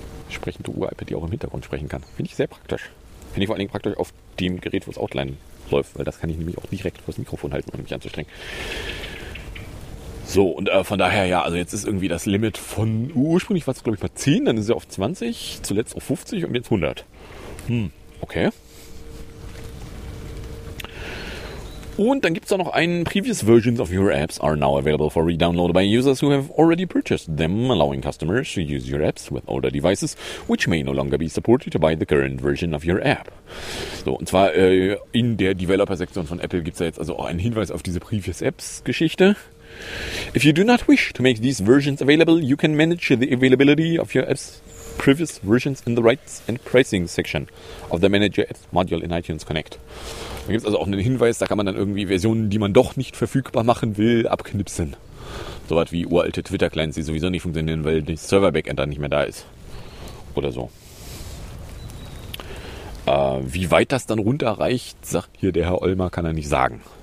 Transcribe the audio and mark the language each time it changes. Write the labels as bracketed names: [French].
[German] Sprechende Uhr-iPad, die auch im Hintergrund sprechen kann. Finde ich sehr praktisch. Finde ich vor allen Dingen praktisch auf dem Gerät, wo es Outline läuft, weil das kann ich nämlich auch direkt vor das Mikrofon halten, um mich anzustrengen. So, und von daher, ja, also jetzt ist irgendwie das Limit von, ursprünglich war es, glaube ich, mal 10, dann ist es auf 20, zuletzt auf 50 und jetzt 100. Okay. Und dann gibt es da noch einen, [English] previous versions of your apps are now available for re-download by users who have already purchased them, allowing customers to use your apps with older devices, which may no longer be supported by the current version of your app. [German] So, und zwar in der Developer-Sektion von Apple gibt es da jetzt also auch einen Hinweis auf diese previous apps-Geschichte. [English] If you do not wish to make these versions available, you can manage the availability of your apps previous versions in the rights and pricing section of the manager apps module in iTunes Connect. [German] Da gibt es also auch einen Hinweis, da kann man dann irgendwie Versionen, die man doch nicht verfügbar machen will, abknipsen. Sowas wie uralte Twitter-Clients, die sowieso nicht funktionieren, weil das Server-Backend dann nicht mehr da ist. Oder so. Wie weit das dann runterreicht, sagt hier der Herr Olmer, kann er nicht sagen.